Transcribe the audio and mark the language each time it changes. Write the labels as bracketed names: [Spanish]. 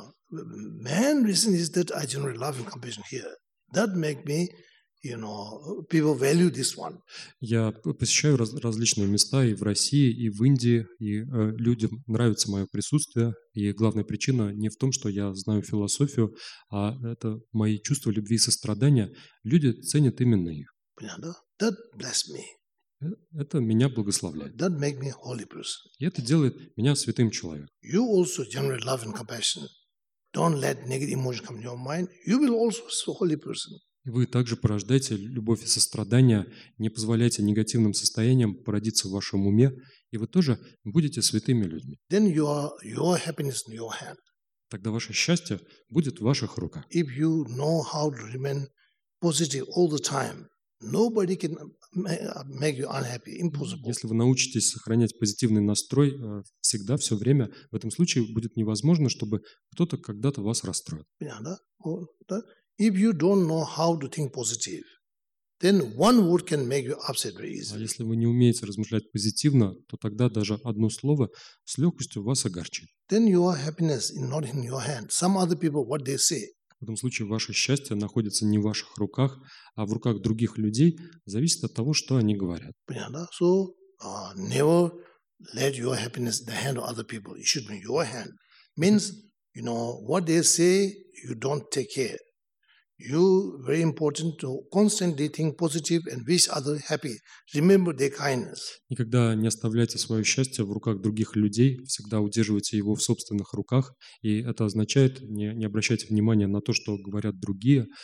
[English] Main reason is that I generally love and compassion here. That make me, you know, people value this one. [Russian] Я посещаю различные места и в России, и в Индии, и людям нравится мое присутствие. И главная причина не в том, что я знаю философию, а это мои чувства любви и сострадания. Люди ценят именно их. Понятно? [English] That bless me. [Russian] Это меня благословляет. [English] That make me holy person. [Russian] И это делает меня святым человеком. [English] You also generate love and compassion. Don't let negative emotions come to your mind. You will also be a holy person. [Russian] Вы также порождаете любовь и сострадание, не позволяете негативным состояниям породиться в вашем уме, и вы тоже будете святыми людьми. [English] Then your happiness in your hand. [Russian] Тогда ваше счастье будет в ваших руках. [English] If you know how to remain positive all the time, nobody can make you unhappy. Impossible. [Russian] Если вы научитесь сохранять позитивный настрой всегда, все время, в этом случае будет невозможно, чтобы кто-то когда-то вас расстроил. Понятно? Да? [English] If you don't know how to think positive, then one word can make you upset very easily. [Russian] А если вы не умеете размышлять позитивно, то тогда даже одно слово с легкостью вас огорчит. [English] Then your happiness is not in your hand. Some other people, what they say. [Russian] В этом случае ваше счастье находится не в ваших руках, а в руках других людей, зависит от того, что они говорят. Понятно? [English] So, never let your happiness in the hand of other people. It should be your hand. Means, you know, what they say, you don't take care. You very important to constantly think positive and wish other happy. Remember their kindness. [Russian] Никогда не оставляйте свое счастье в руках других людей. Всегда удерживайте его в собственных руках. И это означает не обращайте внимания на то, что говорят другие.